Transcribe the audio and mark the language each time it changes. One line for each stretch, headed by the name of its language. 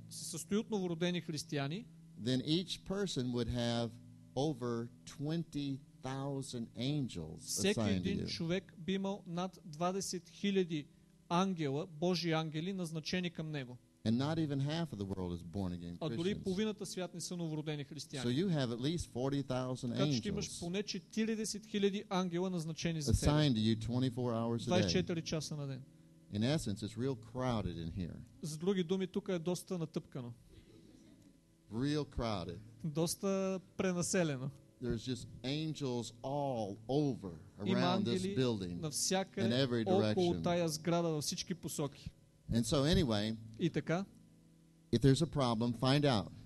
Bulgarian: се състои от новородени християни,
English: then each person would have over 20,000 angels assigned to you.
Bulgarian: Всеки един човек би имал над 20,000 ангела, Божи ангели, назначени към него.
English: And not even half of the world is born again Christians.
Bulgarian: А дори половината свят не са новородени християни.
English: So you have at least 40,000 angels.
Bulgarian: Значи имаш поне 40,000 ангела, назначени за теб.
English: Assigned to you 24 hours a day.
Bulgarian: 24 часа на ден.
English: In essence, it's real crowded in here.
Bulgarian: С други думи, тук е доста натъпкано.
English: Real crowded.
Bulgarian: Доста пренаселено.
English: There's just angels all over around this building in every direction. And so anyway,
Bulgarian: и така,
English: if there's a problem, find out.